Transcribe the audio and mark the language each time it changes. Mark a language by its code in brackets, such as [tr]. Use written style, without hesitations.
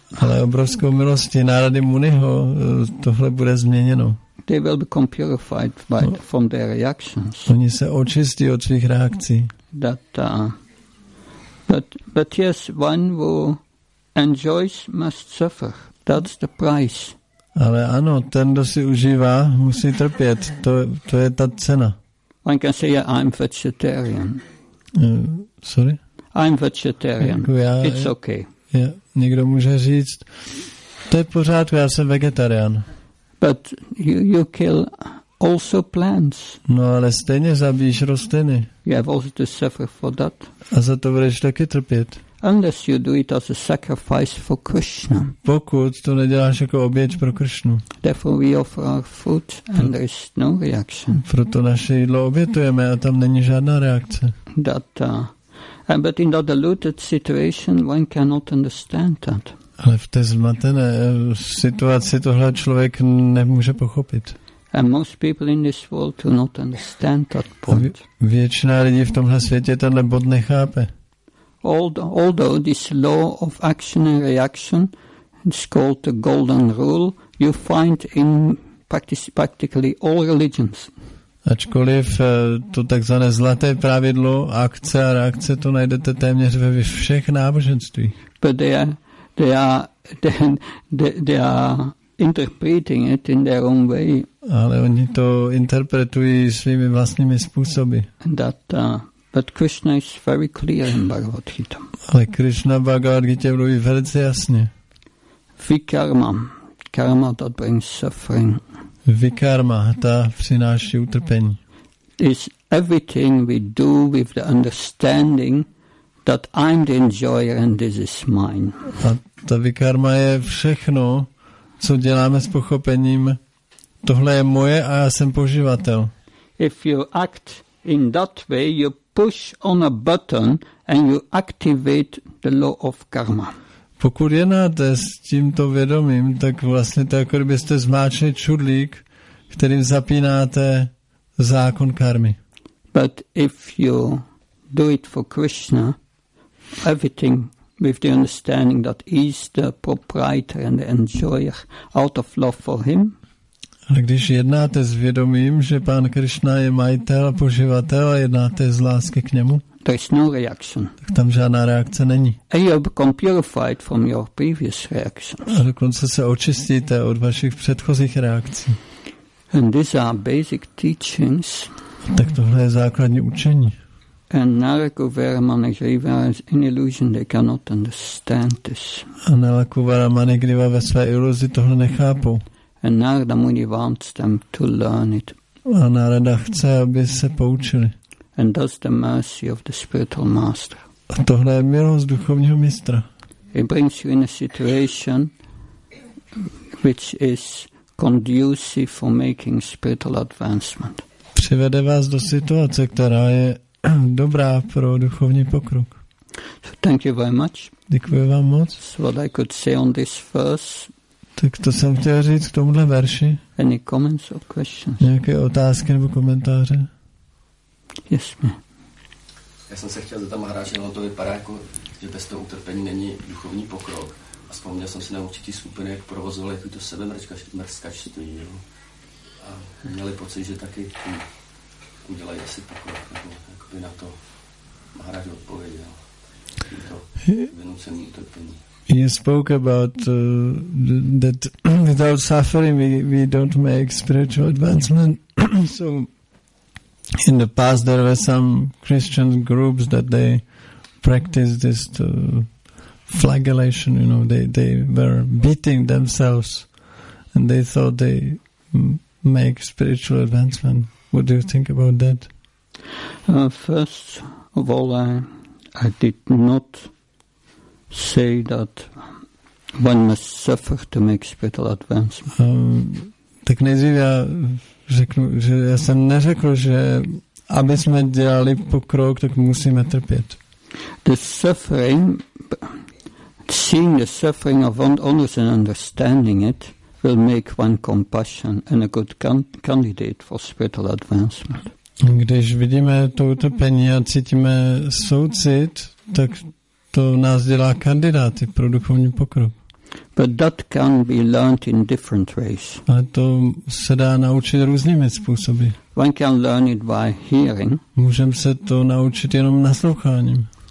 [cs] Ale obrovskou milostí Narady Muniho tohle bude změněno. [en] They will become purified by from their reactions. [cs] Oni se očistí od svých reakcí. [en] That, but yes, one who enjoys must suffer. That's the price. [cs] Ale ano, ten, kdo si užívá, musí trpět. To je ta cena. [en] One can say, I'm vegetarian. Sorry? I'm vegetarian. It's okay. Yeah. [cs] Někdo může říct, to je v pořádku, já jsem vegetarián. [en] But you kill also plants. [cs] No, ale stejně zabíjíš rostliny. [en] You have also to suffer for that. [cs] A za to budeš taky trpět. [en] Unless you do it as a sacrifice for Krishna. [cs] Pokud to neděláš jako oběť pro Krishnu. [en] Therefore we offer our food and there is no reaction. [cs] Proto naše jídlo obětujeme a tam není žádná reakce. [en] That, but in the diluted situation one cannot understand that. [cs] Ale v té zmatené situaci tohle člověk nemůže pochopit. [en] And most people in this world do not understand that point. [cs] Většina lidí v tomhle světě tenhle bod nechápe. [en] Although this law of action and reaction is called the golden rule, you find in practically all religions. [cs] Ačkoliv to takzvané zlaté pravidlo akce a reakce, to najdete téměř ve všech náboženstvích. [en] But they are interpreting it in their own way. [cs] Ale oni to interpretují svými vlastními způsoby. [en] That, but Krishna is very clear in Bhagavad Gita. [cs] Ale Krishna v Bhagavad Gita mluví velice jasně. [en] Vikarma. Karma that brings suffering. [cs] Vikarma, ta přináší utrpení. [en] Is everything we do with the understanding that I'm the enjoyer and this is mine. [cs] A ta vikarma je všechno, co děláme s pochopením. Tohle je moje a já jsem poživatel. [en] If you act in that way, you push on a button and you activate the law of karma. [cs] Pokud jednáte s tímto vědomím, tak vlastně to je, jako kdybyste zmáčili čudlík, kterým zapínáte zákon karmy. [en] But if you do it for Krishna, everything with the understanding that he is the proprietor and the enjoyer out of love for him. [cs] Ale když jednáte s vědomím, že pán Krishna je majitel a poživatel a jednáte z lásky k němu, [en] there is no reaction. [cs] Tak tam žádná reakce není. [en] And you become purified from your previous reactions. [cs] A dokonce se očistíte od vašich předchozích reakcí. [en] And these are basic teachings. [cs] Tak tohle je základní učení. [en] And Nalaku Varamani Griva is in illusion, they cannot understand this. [cs] A Nalaku Varamani Griva ve své iluzi tohle nechápou. [en] And Narada Muni wants them to learn it. [cs] A Narada chce, aby se poučili. [en] And does the mercy of the spiritual master. [cs] A tohle je milost duchovního mistra. [en] He brings you in a situation which is conducive for making spiritual advancement. [cs] Přivede vás do situace, která je dobrá pro duchovní pokrok. [en] So thank you very much. [cs] Děkuji vám moc. [en] So what I could say on this verse. [cs] Tak to jsem chtěl říct k tomuhle verši. [en] Any comments or questions? [cs] Nějaké otázky nebo komentáře? [en] Yes, me. [cs] Já jsem se chtěl zeptat Maharaže, no to vypadá jako, že bez toho utrpení není duchovní pokrok. A vzpomněl jsem si na určitý skupiny, jak provozovali jakýto sebemrskačství. A měli pocit, že taky udělají asi pokrok. Nebo jakoby na to Maharaže odpověděl. To vynucený utrpení. [en] You spoke about that without suffering we don't make spiritual advancement. So in the past there were some Christian groups that they practiced this flagellation, you know, they were beating themselves and they thought they make spiritual advancement. What do you think about that? First of all, I did not say that one must suffer to make spiritual advancement. [cs] Tak nejdřív já řeknu, že já jsem neřekl, že aby jsme dělali pokrok, tak musíme trpět. [en] The suffering, seeing the suffering of others and understanding it, will make one compassion and a good candidate for spiritual advancement. [cs] Když vidíme to utrpení a cítíme soucit, tak to nás dělá kandidáty pro duchovní pokrok. [en] But that can be learned in different ways. [cs] Ale to se dá naučit různými způsoby. [en] One can learn it by hearing. [cs] Můžeme se to naučit jenom nasloucháním.